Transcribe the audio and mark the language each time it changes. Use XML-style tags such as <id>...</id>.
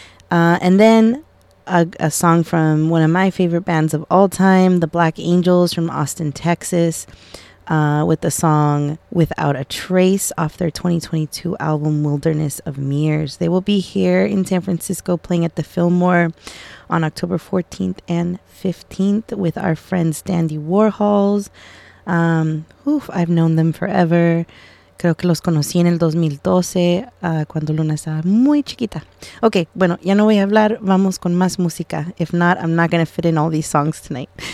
<en>And then a song from one of my favorite bands of all time, the Black Angels from Austin, Texas, with the song Without a Trace off their 2022 album Wilderness of Mirrors. They will be here in San Francisco playing at the Fillmore on October 14th and 15th with our friends Dandy Warhols. I've known them forever.</en> <es>Creo que los conocí en el 2012, cuando Luna estaba muy chiquita. Okay, bueno, ya no voy a hablar. Vamos con más música.</es> <en>If not, I'm not going to fit in all these songs tonight.</en>